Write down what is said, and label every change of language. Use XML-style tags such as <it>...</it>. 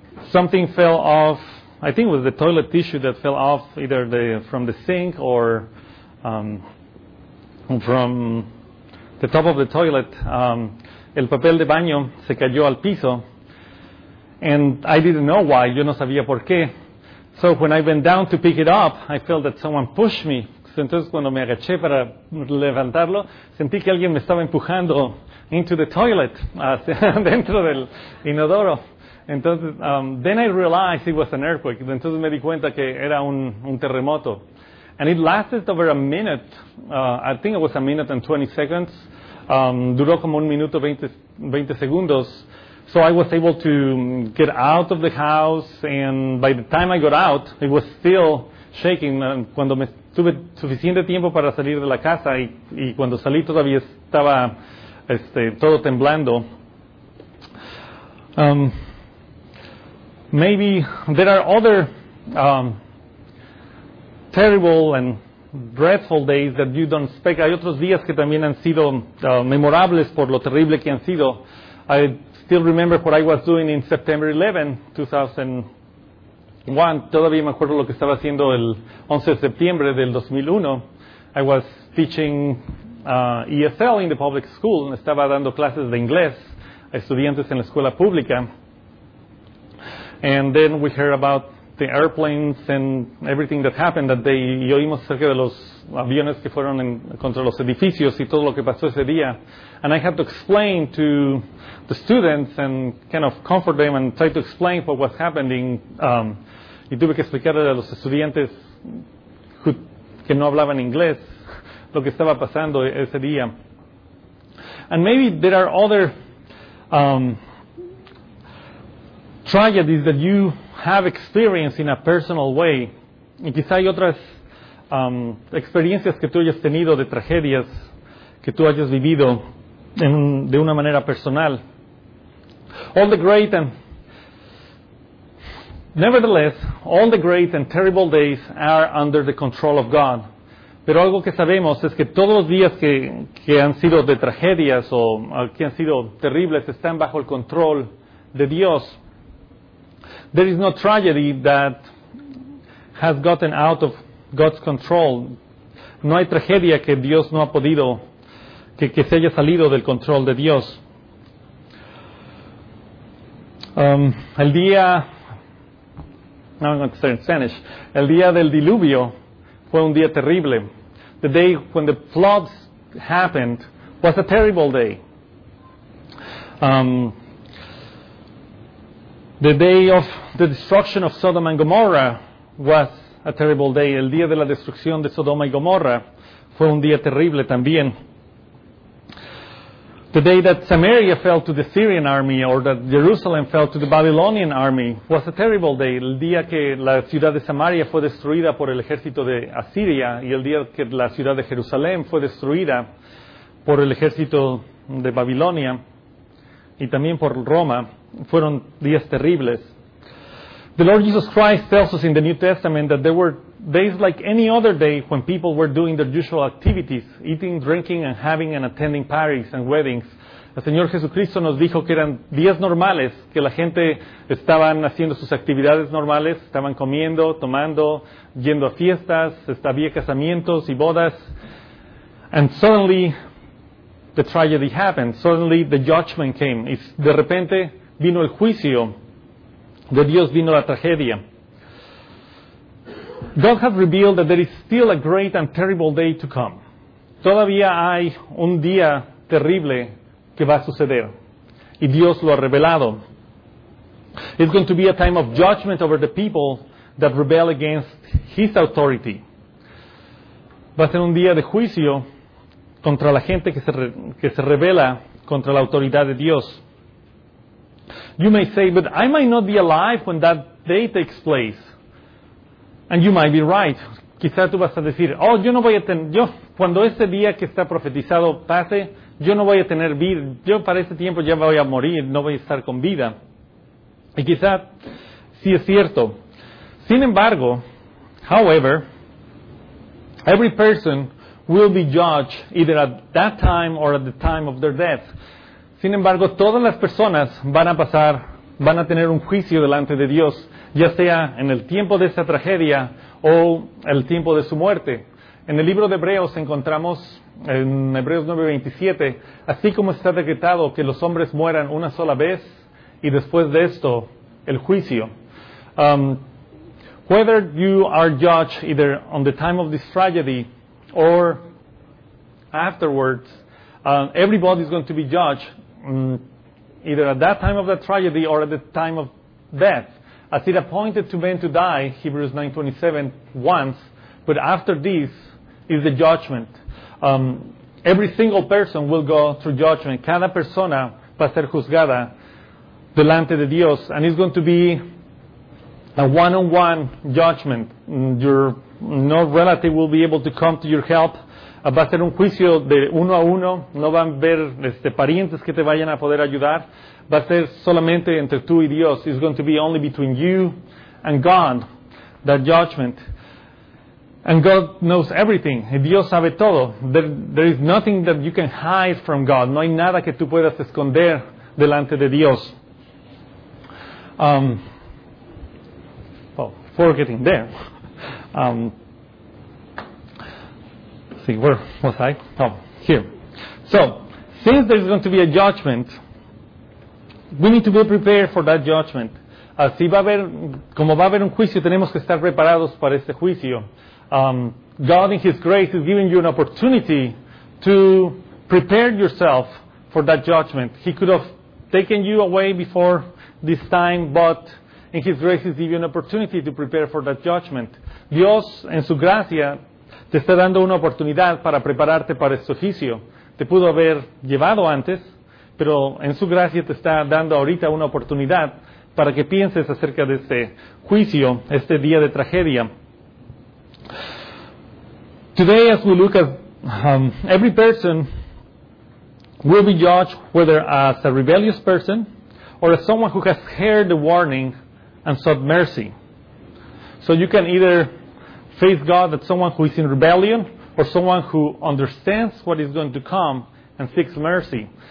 <en>Something fell off, I think it was the toilet tissue that fell off either from the sink or from the top of the toilet.</en> <es>El papel de baño se cayó al piso.</es> <en>And I didn't know why,</en> <es>yo no sabía por qué.</es> <en>So when I went down to pick it up, I felt that someone pushed me.</en> <es>Entonces cuando me agaché para levantarlo, sentí que alguien me estaba empujando</es> <en>into the toilet,</en> <es>dentro del inodoro.</es> <en>Entonces, then I realized it was an earthquake.</en> <es>Entonces me di cuenta que era un terremoto.</es> <en>And it lasted over a minute. I think it was a minute and 20 seconds.</en> <es>Duró como un minuto 20 segundos.</es> <en>So I was able to get out of the house, and by the time I got out, it was still shaking.</en> <es>Cuando me tuve suficiente tiempo para salir de la casa y cuando salí todavía estaba todo temblando.</es> <en>Maybe there are other terrible and dreadful days that you don't expect.</en> <es>Hay otros días que también han sido memorables por lo terrible que han sido.</es> <en>I still remember what I was doing in September 11, 2001.</en> <es>Juan, todavía me acuerdo lo que estaba haciendo el 11 de septiembre del 2001.</es> <en>I was teaching ESL in the public school.</en> <es>Estaba dando clases de inglés a estudiantes en la escuela pública.</es> <en>And then we heard about the airplanes and everything that happened that day.</en> <es>Y oímos acerca de los aviones que fueron contra los edificios y todo lo que pasó ese día.</es> <en>And I had to explain to the students and kind of comfort them and try to explain what was happening.</en> <es>Y tuve que explicar a los estudiantes que no hablaban inglés lo que estaba pasando ese día.</es> <en>And maybe there are other tragedies that you have experienced in a personal way.</en> <es>Y quizá hay otras experiencias que tú hayas tenido de tragedias que tú hayas vivido de una manera personal.</es> <en>All the great and nevertheless, all the great and terrible days are under the control of God.</en> <es>Pero algo que sabemos es que todos los días que han sido de tragedias o que han sido terribles están bajo el control de Dios.</es> <en>There is no tragedy that has gotten out of God's control.</en> <es>No hay tragedia que Dios no ha podido, que se haya salido del control de Dios. El día,</es> <en>now I'm going to start in Spanish.</en> <es>El día del diluvio fue un día terrible.</es> <en>The day when the floods happened was a terrible day. The day of the destruction of Sodom and Gomorrah was a terrible day.</en> <es>El día de la destrucción de Sodoma y Gomorra fue un día terrible también.</es> <en>The day that Samaria fell to the Syrian army or that Jerusalem fell to the Babylonian army was a terrible day.</en> <es>El día que la ciudad de Samaria fue destruida por el ejército de Asiria y el día que la ciudad de Jerusalén fue destruida por el ejército de Babilonia y también por Roma fueron días terribles.</es> <en>The Lord Jesus Christ tells us in the New Testament that there were days like any other day when people were doing their usual activities, eating, drinking, and having and attending parties and weddings.</en> <es>El Señor Jesucristo nos dijo que eran días normales, que la gente estaban haciendo sus actividades normales, estaban comiendo, tomando, yendo a fiestas, había casamientos y bodas.</es> <en>And suddenly, the tragedy happened. Suddenly, the judgment came.</en> <es>Y de repente, vino el juicio. De Dios vino la tragedia.</es> <en>God has revealed that there is still a great and terrible day to come.</en> <es>Todavía hay un día terrible que va a suceder. Y Dios lo ha revelado.</es> <en>It's going to be a time of judgment over the people that rebel against His authority.</en> <es>Va a ser un día de juicio contra la gente que se rebela contra la autoridad de Dios.</es> <en>You may say, but I might not be alive when that day takes place. And you might be right.</en> <es>Quizá tú vas a decir, oh, yo no voy a tener, yo, cuando ese día que está profetizado pase, yo no voy a tener vida. Yo para ese tiempo ya voy a morir, no voy a estar con vida. Y quizá sí es cierto. Sin embargo,</es> <en>however, every person will be judged either at that time or at the time of their death.</en> <es>Sin embargo, todas las personas van a tener un juicio delante de Dios, ya sea en el tiempo de esa tragedia o el tiempo de su muerte. En el libro de Hebreos encontramos, en Hebreos 9:27, así como está decretado que los hombres mueran una sola vez, y después de esto, el juicio.</es> <en>Whether you are judged either on the time of this tragedy or afterwards, everybody is going to be judged either at that time of the tragedy or at the time of death. As it appointed to men to die, Hebrews 9:27, once, but after this is the judgment. Every single person will go through judgment.</en> <es>Cada persona va a ser juzgada delante de Dios,</es> <en>and it's going to be a one-on-one judgment. Your no relative will be able to come to your help.</en> <es>Va a ser un juicio de uno a uno. No van a ver parientes que te vayan a poder ayudar. Va a ser solamente entre tú y Dios.</es> <en>It's going to be only between you and God, that judgment. And God knows everything.</en> <es>Dios sabe todo.</es> <en>There is nothing that you can hide from God.</en> <es>No hay nada que tú puedas esconder delante de Dios.</es> <en>Before getting there, see, where was I? Oh, here. So, since there's going to be a judgment, we need to be prepared for that judgment. Si va a haber, como va a haber un juicio, tenemos que estar preparados para este juicio. God in His grace is giving you an opportunity to prepare yourself for that judgment. He could have taken you away before this time, but in His grace is giving you an opportunity to prepare for that judgment.</en> <es>Dios, en su gracia, te está dando una oportunidad para prepararte para este juicio. Te pudo haber llevado antes, pero en su gracia te está dando ahorita una oportunidad para que pienses acerca de este juicio, este día de tragedia.</es> <en>Today, as we look at every person will be judged whether as a rebellious person or as someone who has heard the warning and sought mercy. So you can either face God as someone who is in rebellion or someone who understands what is going to come and seeks mercy.</en>